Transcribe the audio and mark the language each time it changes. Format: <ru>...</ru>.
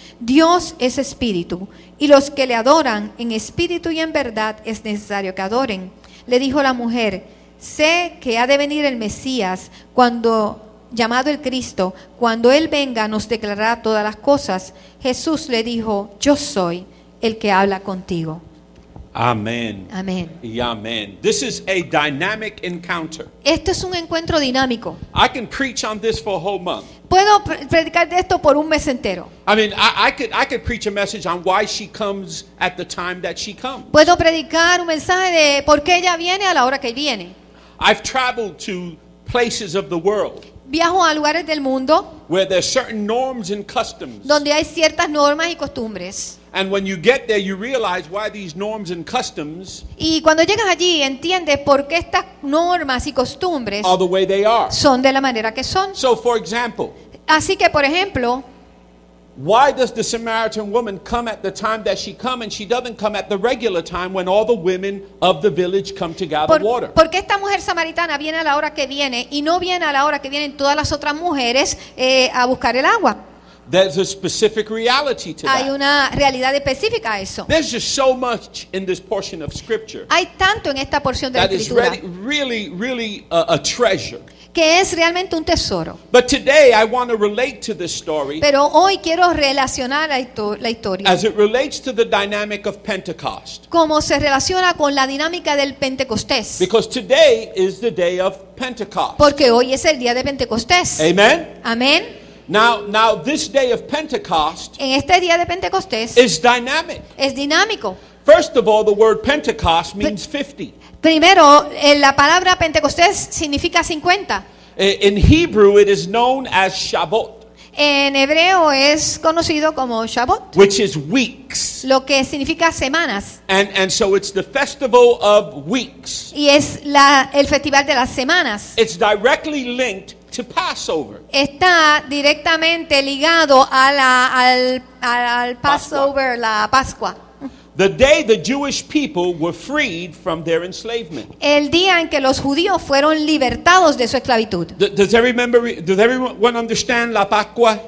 <es>Dios es espíritu, y los que le adoran en espíritu y en verdad es necesario que adoren. Le dijo la mujer, sé que ha de venir el Mesías, llamado el Cristo. Cuando Él venga nos declarará todas las cosas. Jesús le dijo, yo soy el que habla contigo. Amén. Amén. Y amén.</es> <en>This is a dynamic encounter.</en> <es>Esto es un encuentro dinámico.</es> <en>I can preach on this for a whole month.</en> <es>Puedo predicar de esto por un mes entero.</es> <en>I mean, I could preach a message on why she comes at the time that she comes.</en> <es>Puedo predicar un mensaje de por qué ella viene a la hora que viene.</es> <en>I've traveled to places of the world.</en> <es>viajo a lugares del mundo</es> <en>where there are certain norms and customs.</en> <es>Donde hay ciertas normas y costumbres.</es> <en>And when you get there, you realize why these norms and customs.</en> <es>Y cuando llegas allí, entiendes por qué estas normas y costumbres</es> <en>are the way they are.</en> <es>Son de la manera que son.</es> <en>So, for example.</en> <es>Así que, por ejemplo.</es> <en>Why does the Samaritan woman come at the time that she come, and she doesn't come at the regular time when all the women of the village come to gather water?</en> <es>¿Por qué esta mujer samaritana viene a la hora que viene y no viene a la hora que vienen todas las otras mujeres a buscar el agua?</es> <en>There's a specific reality to</en> <es>that. Hay una realidad específica a eso.</es> <en>There's just so much in this portion of scripture.</en> <es>Hay tanto en esta porción de la escritura.</es> <en>That is really, really, really a treasure.</en> <es>Que es realmente un tesoro.</es> <en>But today I want to relate to this story.</en> <es>Pero hoy quiero relacionar la historia.</es> <en>As it relates to the dynamic of Pentecost.</en> <es>Como se relaciona con la dinámica del Pentecostés.</es> <en>Because today is the day of Pentecost.</en> <es>Porque hoy es el día de Pentecostés.</es> <en>Amen.</en> <es>Amén.</es> <en>Now this day of Pentecost.</en> <es>En este día de Pentecostés.</es> <en>Is dynamic.</en> <es>Es dinámico.</es> <en>First of all, the word Pentecost means 50.</en> <es>Primero, la palabra Pentecostés significa 50.</es> <en>In Hebrew, it is known as Shavuot.</en> <es>En hebreo es conocido como Shavuot.</es> <en>Which is weeks.</en> <es>Lo que significa semanas.</es> <en>And so it's the festival of weeks.</en> <es>Y es el festival de las semanas.</es> <en>It's directly linked to Passover.</en> <es>Está directamente ligado al Passover, Pascua. La Pascua.</es> <en>The day the Jewish people were freed from their enslavement.</en> <es>El día en que los judíos fueron libertados de su esclavitud.</es> <en>Does everyone understand la Pascua?</en>